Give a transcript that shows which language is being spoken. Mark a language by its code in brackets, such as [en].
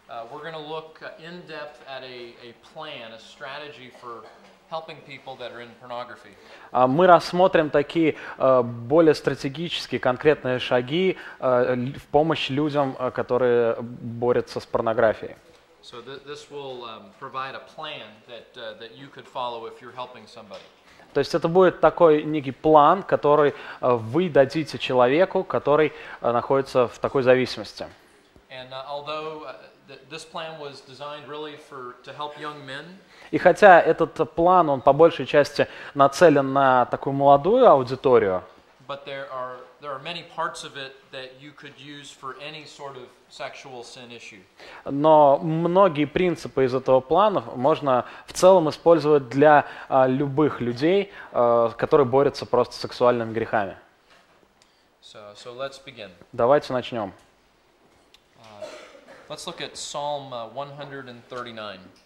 [en] We're going to look in depth at a plan, a strategy for helping people that are in pornography. [ru] Мы рассмотрим такие более стратегические, конкретные шаги в помощь людям, которые борются с порнографией. [en] So this will provide a plan that that you could follow if you're helping somebody. [ru] То есть это будет такой некий план, который вы дадите человеку, который находится в такой зависимости. [en] And although this plan was designed really for to help young men. [ru] И хотя этот план, он по большей части нацелен на такую молодую аудиторию. [en] But there are many parts of it that you could use for any sort of sexual sin issue. [ru] Но многие принципы из этого плана можно в целом использовать для любых людей, которые борются просто с сексуальными грехами. [en] So let's begin. [ru] Давайте начнём. [en] Let's look at Psalm 139.